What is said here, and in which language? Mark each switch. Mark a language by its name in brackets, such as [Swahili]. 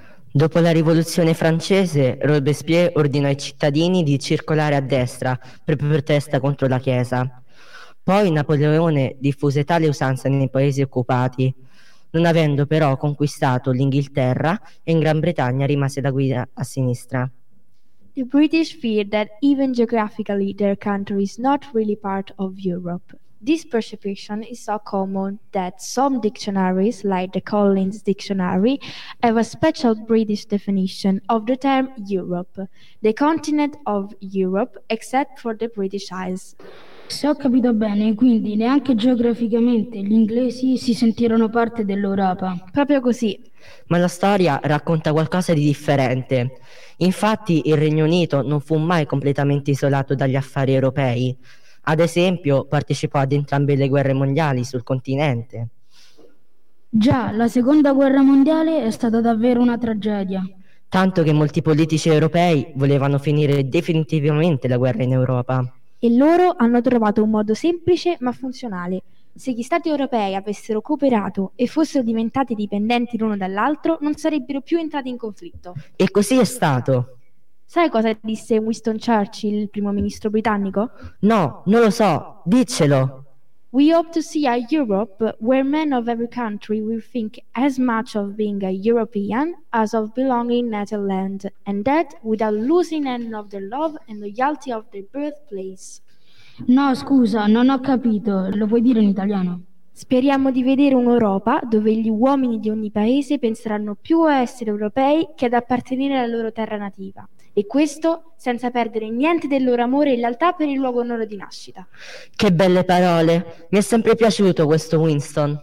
[Italian] Dopo la Rivoluzione francese, Robespierre ordinò ai cittadini di circolare a destra per protesta contro la Chiesa. Poi Napoleone diffuse tale usanza nei paesi occupati, non avendo però conquistato l'Inghilterra, e in Gran Bretagna rimase la guida a sinistra. [English] The British feel that even geographically their country is not really part of Europe. This perception is so common that some dictionaries, like the Collins Dictionary, have a special British definition of the term Europe, the continent of Europe, except for the British Isles. [Italian] Se ho capito bene, quindi neanche geograficamente gli inglesi si sentirono parte dell'Europa. Proprio così. Ma la storia racconta qualcosa di differente. Infatti il Regno Unito non fu mai completamente isolato dagli affari europei. Ad esempio, partecipò ad entrambe le guerre mondiali sul continente. Già, la Seconda Guerra Mondiale è stata davvero una tragedia. Tanto che molti politici europei volevano finire definitivamente la guerra in Europa. E loro hanno trovato un modo semplice ma funzionale. Se gli stati europei avessero cooperato e fossero diventati dipendenti l'uno dall'altro, non sarebbero più entrati in conflitto. E così è stato. Sai cosa disse Winston Churchill, il primo ministro britannico? No, non lo so. Diccelo. [English] We hope to see a Europe where men of every country will think as much of being a European as of belonging to their land, and that without losing any of their love and loyalty of their birthplace. [Italian] No, scusa, non ho capito. Lo puoi dire in italiano? Speriamo di vedere un'Europa dove gli uomini di ogni paese penseranno più a essere europei che ad appartenere alla loro terra nativa. E questo senza perdere niente del loro amore e lealtà per il luogo onore di nascita. Che belle parole! Mi è sempre piaciuto questo Winston.